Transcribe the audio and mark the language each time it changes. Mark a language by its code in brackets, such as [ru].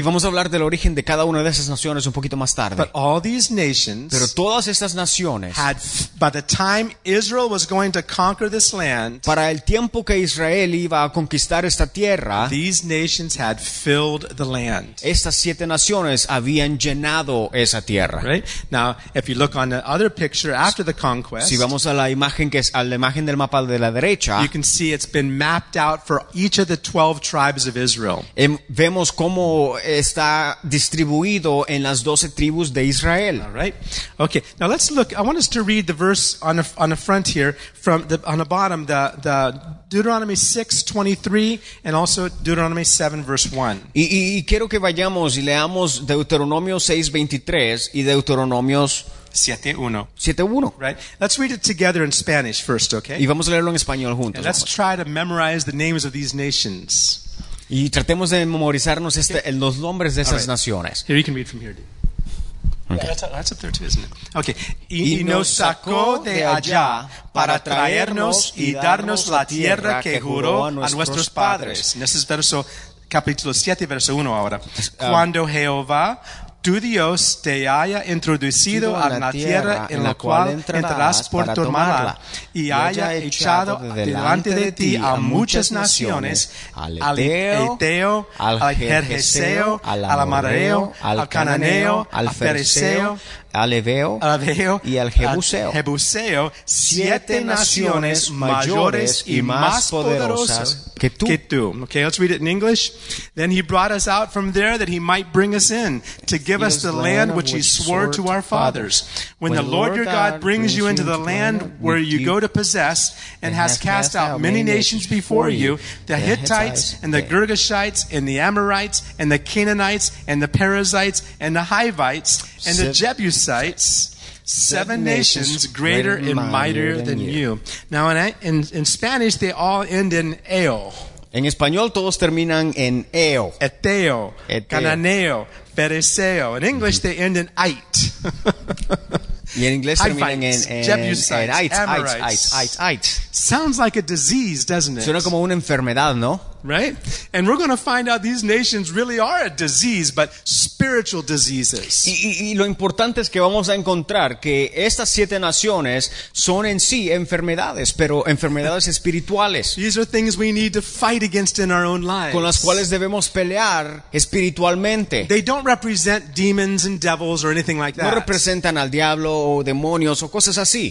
[es] Y vamos a hablar del origen de cada una de esas naciones un poquito más tarde. [en] But all these nations, [es] pero todas estas naciones, [en] had by the time Israel was going to conquer this land, [es] para el tiempo que Israel iba a conquistar esta tierra, [en] these nations had filled the land. [es] Estas siete naciones habían llenado esa tierra. [en] Right? Now, if you look on the other picture after the conquest, [es] si vamos a la imagen que es a la imagen del mapa de la derecha, [en] you can see it's been mapped out for each of the 12 tribes of Israel. [es] Vemos cómo está distribuido en las 12 tribus de Israel. [en] All right. Okay. Now let's look. I want us to read the verse on the front here from the on the bottom, the Deuteronomy 6:23 and also Deuteronomy 7 verse 1. [es] Y quiero que vayamos y leamos Deuteronomio 6:23 y Deuteronomio [en] 7:1. Right. Let's read it together in Spanish first, okay? [es] Y vamos a leerlo en español juntos. [en] And let's try to memorize the names of these nations. [es] Y tratemos de memorizarnos los nombres de esas [en] right. [es] naciones. [en] Here you can read from here, dude. Okay. Yeah, that's up there too, isn't it? Okay. [es] Y nos sacó de allá para traernos y darnos la tierra que juró a nuestros padres. En ese verso, capítulo 7, verso 1 ahora. Cuando Jehová, tu Dios, te haya introducido a la tierra en la cual entrarás por tomarla y haya echado delante de ti a muchas naciones, al Eteo, al Jerjeseo, al Amareo, al Cananeo, al Fereseo, al Eveo y al Jebuseo, siete naciones mayores y más poderosas que tú. [en] Okay, let's read it in English. Then he brought us out from there that he might bring us in to give us the land which he swore to our fathers. When the Lord your God brings you into the land where you go to possess and has cast out many nations before you, the Hittites and the Girgashites and the Amorites and the Canaanites and the Perizzites and the Hivites and the Jebusites, seven nations greater and mightier than you. Now, in Spanish, they all end in eo. [es] En español, todos terminan en eo. [en] Eteo, eteo. Cananeo, pereseo. In English, they end in ite. [es] Y en inglés terminan en [en] Jebusites, Amorites. Sounds like a disease, doesn't it? [es] Suena como una enfermedad, ¿no? [en] Right? And we're going to find out these nations really are a disease, but spiritual diseases. [es] Y lo importante es que vamos a encontrar que estas siete naciones son en sí enfermedades, pero enfermedades espirituales. [en] These are things we need to fight against in our own lives. [es] Con las cuales debemos pelear espiritualmente. [en] They don't represent demons and devils or anything like that. [es] No representan al diablo o demonios o cosas así.